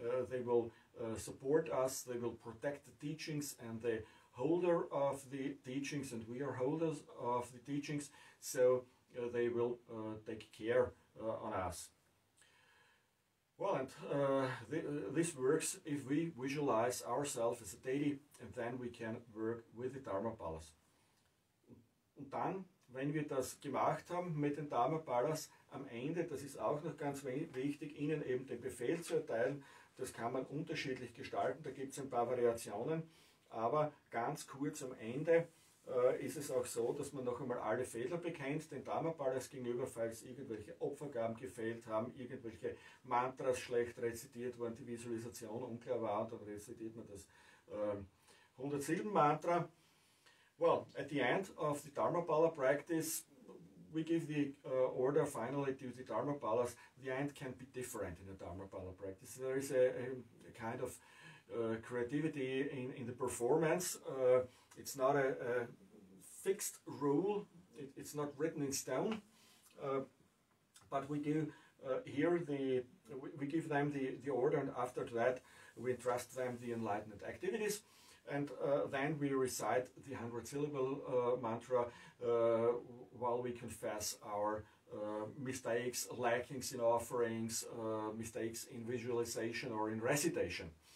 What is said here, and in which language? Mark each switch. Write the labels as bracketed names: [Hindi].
[English] They will support us, they will protect the teachings, and the holder of the teachings, and we are holders of the teachings, so they will take care on us. Well, and this works if we visualize ourselves as a deity, and then we can work with the Dharmapalas. [German] Und dann, wenn wir das gemacht haben mit den Dharmapalas, am Ende, das ist auch noch ganz wichtig, ihnen eben den Befehl zu erteilen. Das kann man unterschiedlich gestalten, da gibt es ein paar Variationen, aber ganz kurz am Ende ist es auch so, dass man noch einmal alle Fehler bekennt, den Dharmapalas gegenüber, falls irgendwelche Opfergaben gefehlt haben, irgendwelche Mantras schlecht rezitiert wurden, die Visualisation unklar war, und dann rezitiert man das 107 Mantra. [English] Well, at the end of the Dharmapala practice, we give the order finally to the Dharmapalas. The end can be different in the Dharmapala practice. There is a kind of creativity in the performance. It's not a fixed rule, it's not written in stone, but we do here we give them the order, and after that we entrust them the enlightenment activities, and then we recite the 100-syllable mantra while we confess our mistakes, lackings in offerings, mistakes in visualization or in recitation.